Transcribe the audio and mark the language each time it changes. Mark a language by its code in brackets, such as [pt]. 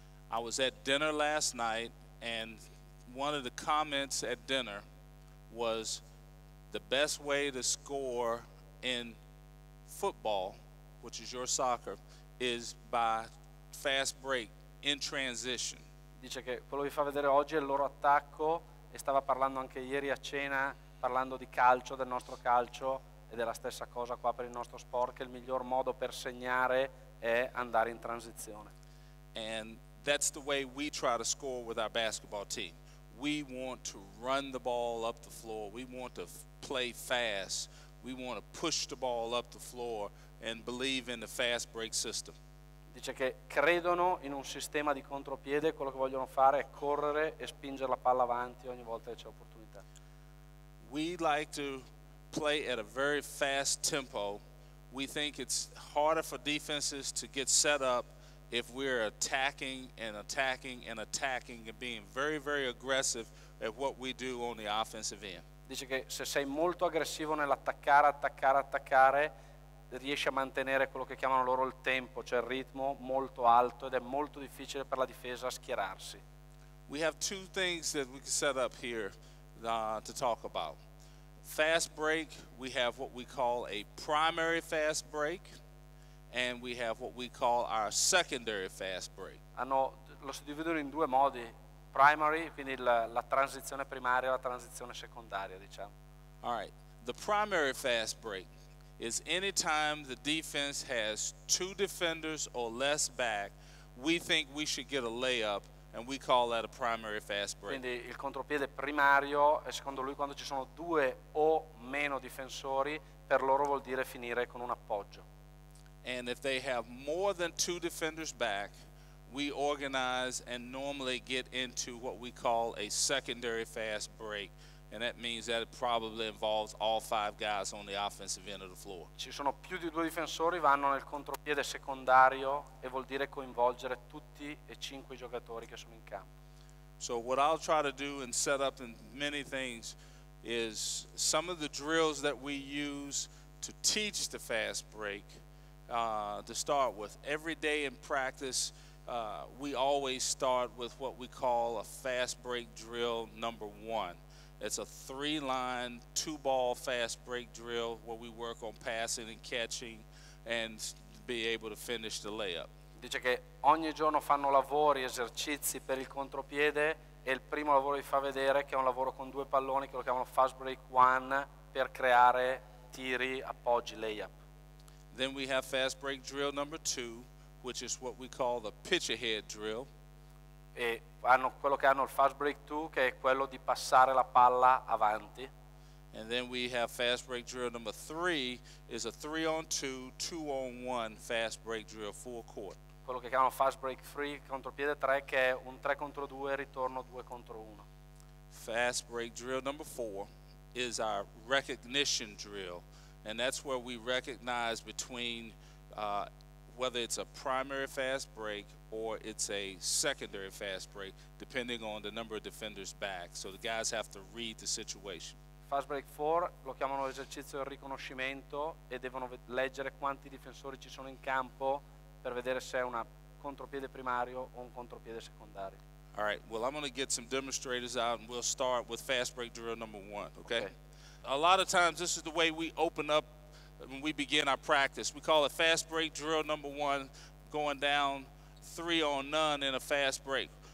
[en] I was at dinner last night, and one of the comments at dinner was the best way to score in football, which is your soccer, is by fast break in transition. [it] Dice che quello che vi fa vedere oggi è il loro attacco, e stava parlando anche ieri a cena, parlando di calcio, del nostro calcio, ed è la stessa cosa qua per il nostro sport, che il miglior modo per segnare è andare in transizione. [en] And that's the way we try to score with our basketball team. We want to run the ball up the floor. We want to play fast. We want to push the ball up the floor and believe in the fast break system. [it] Dice che credono in un sistema di contropiede, quello che vogliono fare è correre e spingere la palla avanti ogni volta che c'è opportunità. [en] We like to play at a very fast tempo. We think it's harder for defenses to get set up if we're attacking and attacking and attacking and being very, very aggressive at what we do on the offensive end. [it] Dice che se sei molto aggressivo nell'attaccare, attaccare, attaccare, riesce a mantenere quello che chiamano loro il tempo, cioè il ritmo molto alto, ed è molto difficile per la difesa schierarsi. [en] We have two things that we can set up here to talk about. Fast break, we have what we call a primary fast break, and we have what we call our secondary fast break. [it] Hanno, lo si dividono in due modi, primary, quindi la transizione primaria e la transizione secondaria, diciamo. [en] All right, the primary fast break is any time the defense has two defenders or less back, we think we should get a layup, and we call that a primary fast break. [it] Quindi il contropiede primario è secondo lui quando ci sono due o meno difensori, per loro vuol dire finire con un appoggio. [en] And if they have more than two defenders back, we organize and normally get into what we call a secondary fast break. And that means that it probably involves all five guys on the offensive end of the floor. [it] Ci sono più di due difensori, vanno nel contropiede secondario e vuol dire coinvolgere tutti e cinque i giocatori che sono in campo. [en] So what I'll try to do and set up in many things is some of the drills that we use to teach the fast break to start with. Every day in practice, we always start with what we call a fast break drill number one. It's a three-line, two-ball fast break drill where we work on passing and catching and be able to finish the layup. [it] Dice che ogni giorno fanno lavori, esercizi per il contropiede e il primo lavoro vi fa vedere che è un lavoro con due palloni che lo chiamano fast break one per creare tiri, appoggi, layup. [en] Then we have fast break drill number two, which is what we call the pitch ahead drill. [it] E hanno quello che hanno il fast break 2 che è quello di passare la palla avanti. [en] And then we have fast break drill number 3 is a 3 on 2, 2 on 1 fast break drill full court. [it] Quello che chiamano fast break 3 contropiede 3 che è un 3 contro 2 ritorno 2 contro 1. [en] Fast break drill number 4 is our recognition drill, and that's where we recognize between whether it's a primary fast break or it's a secondary fast break, depending on the number of defenders back. So the guys have to read the situation. [it] Fast break 4 lo chiamano esercizio del riconoscimento e devono leggere quanti difensori ci sono in campo per vedere se è un contropiede primario o un contropiede secondario. [en] All right, well, I'm going to get some demonstrators out and we'll start with fast break drill number one, okay? A lot of times this is the way we open up when we begin our practice. We call it fast break drill number one, going down three on none in a fast break.